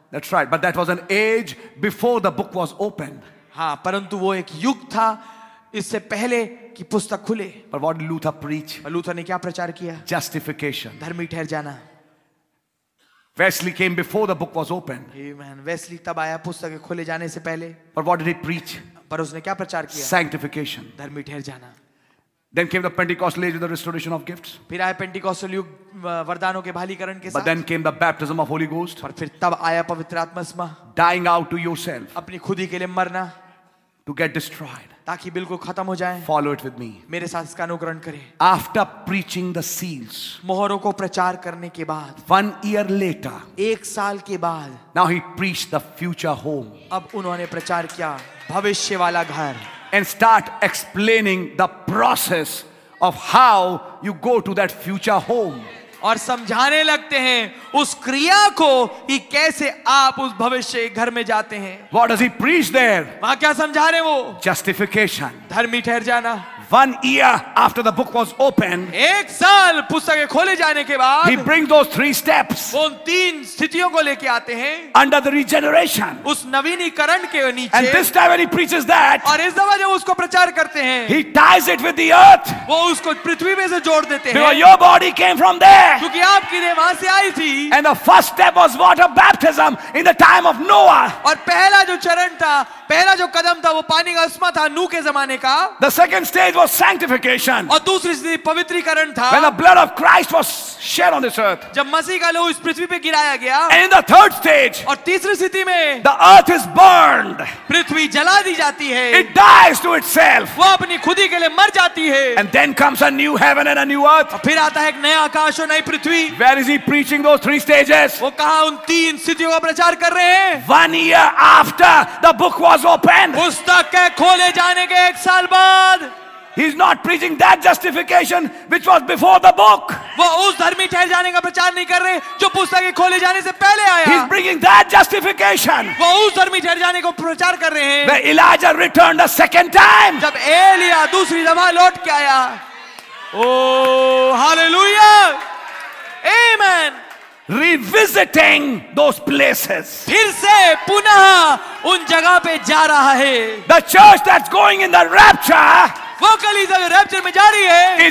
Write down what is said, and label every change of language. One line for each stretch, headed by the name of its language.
English: That's right, but that was an age before the book was opened.
Hindi: हाँ, परंतु वो एक युग था इससे पहले कि पुस्तक खुले.
English: But what Luther preach?
Hindi: Luther ने क्या प्रचार किया?
English: Justification.
Hindi: धर्मी ठहर जाना.
English: Wesley came before the book was opened. Amen.
Hindi: Wesley तब आया पुस्तक के खुले जाने से पहले.
English: But what did he preach?
Hindi: पर उसने क्या प्रचार किया?
English: Sanctification.
Hindi: धर्मी ठहर जाना.
English: Then came the Pentecostal age, the restoration of gifts.
Hindi: फिर आया पेंटिकॉस्टल युग, वरदानों के बहालीकरण के साथ.
English: But then came the baptism of Holy Ghost.
Hindi: पर फिर तब आया पवित्र आत्मा.
English: Dying out to yourself.
Hindi: अपनी खुदी के लिए मरना.
English: To get destroyed.
Hindi: ताकि बिल्कुल खत्म हो जाए.
English: Follow it with me.
Hindi: मेरे साथ इसका अनुकरण करें.
English: After preaching the seals.
Hindi: मोहरों को प्रचार करने के बाद.
English: One year later.
Hindi: एक साल के बाद.
English: Now he preached the future home.
Hindi: अब उन्होंने प्रचार किया भविष्य वाला घर.
English: And start explaining the process of how you go to that future home.
Hindi: और समझाने लगते हैं उस क्रिया को कि कैसे आप उस भविष्य घर में जाते हैं.
English: What does he preach there?
Hindi: वहां क्या समझा रहे वो?
English: Justification.
Hindi: धर्मी ठहर जाना.
English: One year after the book was opened.
Hindi: एक साल पुस्तक खोले जाने के बाद.
English: He brings those three steps.
Hindi: वो तीन स्थितियों को लेके आते हैं.
English: Under the regeneration.
Hindi: उस नवीनीकरण के नीचे.
English: And this time when he preaches that.
Hindi: और इस दफा जब उसको प्रचार करते हैं.
English: He ties it with the earth.
Hindi: वो उसको पृथ्वी में से जोड़ देते हैं.
English: Because your body came from there.
Hindi: क्योंकि आपकी देह वहां से आई थी.
English: And the first step was water baptism in the time of Noah.
Hindi: और पहला जो चरण था, पहला जो कदम था, वो पानी का उस्मा था नूह के जमाने का.
English: The second stage was sanctification.
Hindi: और दूसरी स्थिति पवित्रीकरण था.
English: When the blood of Christ was shed on this earth.
Hindi: जब मसीह का लहू इस पृथ्वी पे गिराया गया.
English: And in the third stage.
Hindi: और तीसरी स्थिति में.
English: The earth is burned.
Hindi: पृथ्वी जला दी जाती है.
English: It dies to itself.
Hindi: वो अपनी खुदी के लिए मर जाती है.
English: And then comes a new heaven and a new earth.
Hindi: और फिर आता है एक नया आकाश और नई पृथ्वी.
English: Where is he preaching those three stages?
Hindi: वो कहां उन तीन स्थितियों का प्रचार कर रहे हैं?
English: One year after the book was opened.
Hindi: पुस्तक के खोले जाने के एक साल बाद.
English: He's not preaching that justification which was before the book.
Hindi: वो उस धर्मी ठहर जाने का प्रचार नहीं कर रहे जो पुस्तक के खोले जाने से पहले आया.
English: He's bringing that justification.
Hindi: वो उस धर्मी ठहर जाने को प्रचार कर रहे हैं.
English: When Elijah returned a second time.
Hindi: जब एलिया दूसरी दफा लौट के आया.
English: Oh, hallelujah. Amen. Revisiting those places.
Hindi: फिर से पुनः उन जगह पे जा रहा है.
English: The church that's going in the rapture.
Hindi: वो कलीसिया जो रैप्चर में जा रही है.